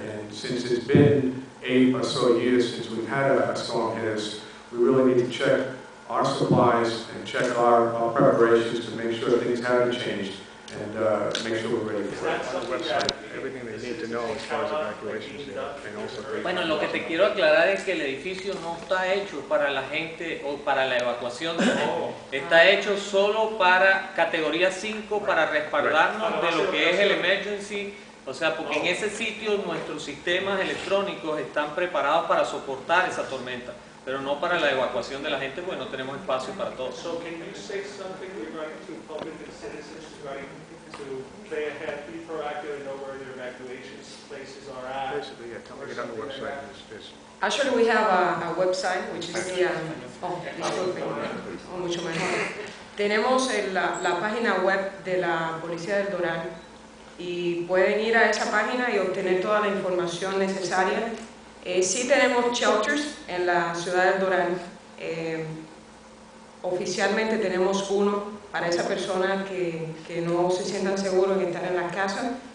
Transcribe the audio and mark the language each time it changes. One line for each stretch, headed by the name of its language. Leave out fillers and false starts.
English: And since it's been 8 or so years since we've had a storm hit us, we really need to check our supplies and check our preparations to make sure things haven't changed and make sure we're ready for it. On the website, everything they need to know as far as evacuations and also.
Spanish: Bueno, lo que te quiero aclarar es que el edificio no está hecho para la gente o para la evacuación. Está hecho solo para categoría 5 para respaldarnos de lo que es el emergency. O sea, porque en ese sitio nuestros sistemas electrónicos están preparados para soportar esa tormenta, pero no para la evacuación de la gente, porque no tenemos espacio para todos.
English: So can you say something regarding to public and citizens regarding to play ahead, be proactive, and know where their evacuation places are at? Basically, yeah, come get on the website. Actually, we have a website, which is the,
Spanish: mucho mejor. Tenemos la página web de la Policía del Doral, y pueden ir a esa página y obtener toda la información necesaria. Sí tenemos shelters en la ciudad de Doral. Oficialmente tenemos uno para esa persona que no se sientan seguros de estar en la casa.